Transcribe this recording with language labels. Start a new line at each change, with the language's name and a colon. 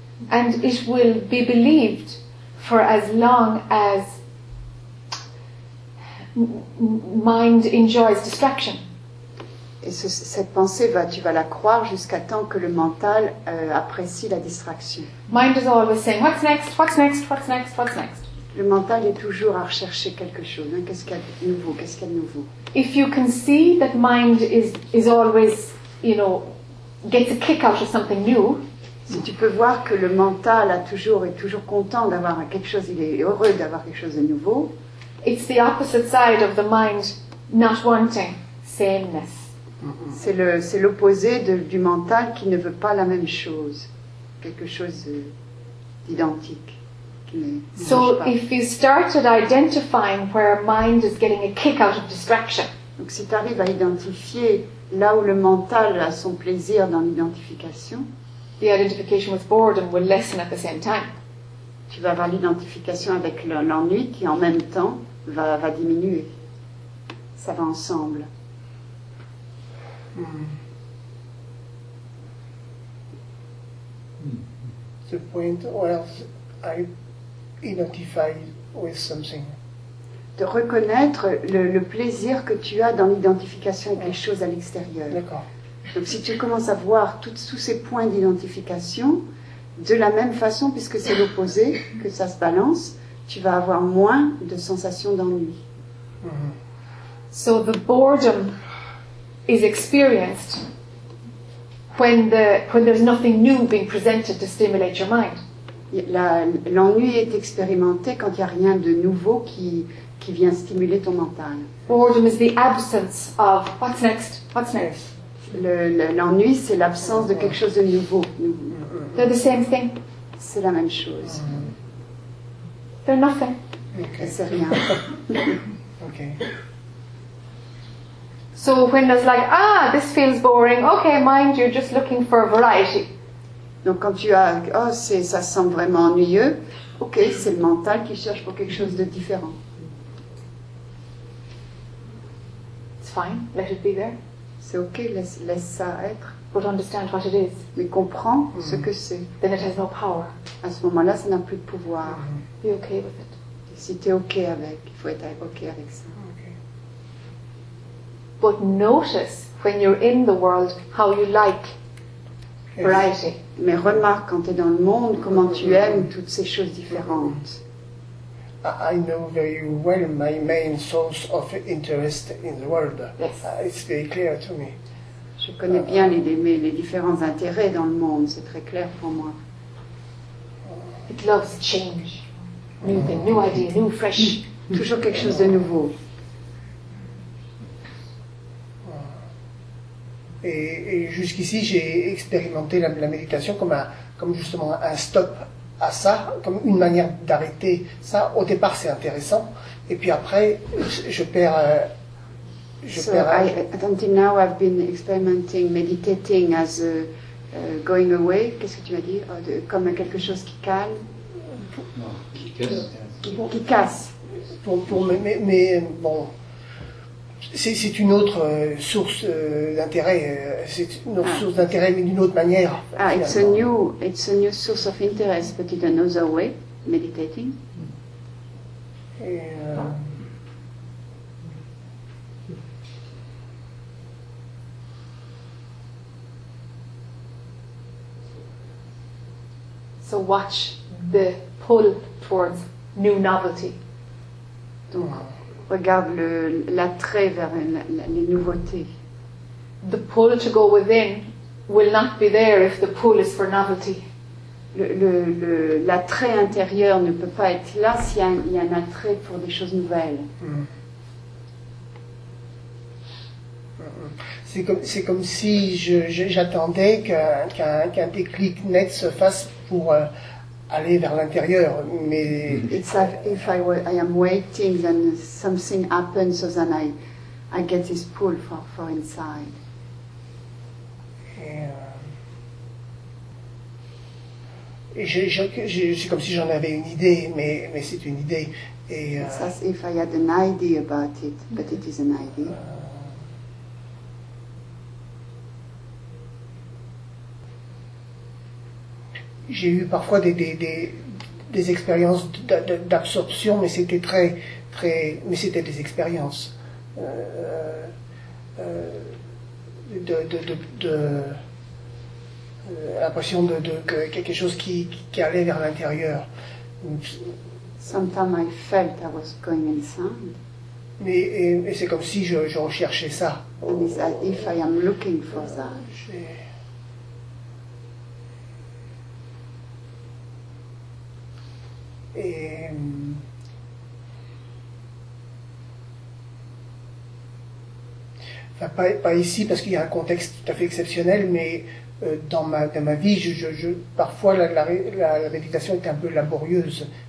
English: And it will be believed for as long as mind enjoys distraction.
French: Et cette pensée, tu vas la croire jusqu'à temps que le mental apprécie la distraction.
English: Mind is always saying, what's next, what's next, what's next, what's next.
French: Le mental est toujours à rechercher quelque chose. Hein? Qu'est-ce qu'il y a de nouveau? Qu'est-ce qu'il y a de nouveau?
English: If you can see that mind is always, you know, gets a kick out of something new.
French: Si tu peux voir que le mental a toujours est toujours content d'avoir quelque chose, il est heureux d'avoir quelque chose de nouveau.
English: It's the opposite side of the mind not wanting sameness.
French: C'est l'opposé du mental qui ne veut pas la même chose, quelque chose d'identique.
English: So if you started identifying where mind is getting a kick out of distraction.
French: Donc si tu arrives à identifier là où le mental a son plaisir dans l'identification.
English: The identification with boredom will lessen at the same time.
French: Tu vas avoir l'identification avec l'ennui qui en même temps va diminuer. Ça va ensemble.
English: The point where I identify with something.
French: De reconnaître le plaisir que tu as dans l'identification avec les choses à l'extérieur. D'accord. Donc si tu commences à voir tous ces points d'identification, de la même façon, puisque c'est l'opposé, que ça se balance, tu vas avoir moins de sensations d'ennui. Mm-hmm.
English: So the boredom is experienced when there's nothing new being presented to stimulate your mind.
French: L'ennui est expérimenté quand il n'y a rien de nouveau qui vient stimuler ton mental.
English: Boredom is the absence of what's next, what's next.
French: L'ennui, c'est l'absence de quelque chose de nouveau.
English: They're the same thing.
French: C'est la même chose.
English: They're nothing.
French: Okay. C'est rien.
English: Okay. So when there's like, ah, this feels boring. Okay, mind, you're just looking for a variety.
French: Donc quand tu as, oh, c'est, ça semble vraiment ennuyeux. Okay, c'est le mental qui cherche pour quelque chose de différent.
English: It's fine. Let it be there.
French: C'est ok, laisse ça être.
English: But understand what it is.
French: Mais comprends ce que c'est.
English: Then it has no power.
French: À ce moment-là, ça n'a plus de pouvoir.
English: Be ok with it.
French: Et si t'es ok avec, il faut être ok avec ça.
English: Okay. But notice when you're in the world how you like variety.
French: Mais remarque quand t'es dans le monde comment tu aimes toutes ces choses différentes.
English: I know very well my main source of interest in the world. Yes. It's very clear to me.
French: Je connais bien les différents intérêts dans le monde, c'est très clair pour moi.
English: It loves change. New thing, new idea, new fresh.
French: Toujours quelque chose de nouveau. Et jusqu'ici, j'ai expérimenté la méditation comme justement un stop à ça, comme une manière d'arrêter ça. Au départ, c'est intéressant, et puis après, je perds.
English: Until now, I've been experimenting, meditating as a going away.
French: Qu'est-ce que tu vas dire? Comme quelque chose qui calme. Qui casse. Pour mais bon, c'est une autre source d'intérêt. C'est une autre source d'intérêt, mais d'une autre manière.
English: Ah, it's a new source of interest, but in another way, meditating. So watch the pull towards new novelty.
French: Donc, regarde l'attrait vers les nouveautés.
English: The pull to go within will not be there if the pull is for novelty.
French: L'attrait intérieur ne peut pas être là s'il y a un attrait pour des choses nouvelles. C'est comme si j'attendais qu'un déclic net se fasse pour aller vers l'intérieur, mais
English: it's like if I am waiting, then something happens, so then I get this pull for inside.
French: C'est comme si j'en avais une idée, mais c'est une idée.
English: It's as if I had an idea about it, but it is an idea.
French: J'ai eu parfois des expériences d'absorption, mais c'était très très, mais c'était des expériences de l'impression de quelque chose qui allait vers l'intérieur.
English: Sometimes I felt I was going inside.
French: Mais et c'est comme si je recherchais ça.
English: And it's as if I am looking for that.
French: Pas ici parce qu'il y a un contexte tout à fait exceptionnel, mais dans ma vie, parfois la méditation est un peu laborieuse.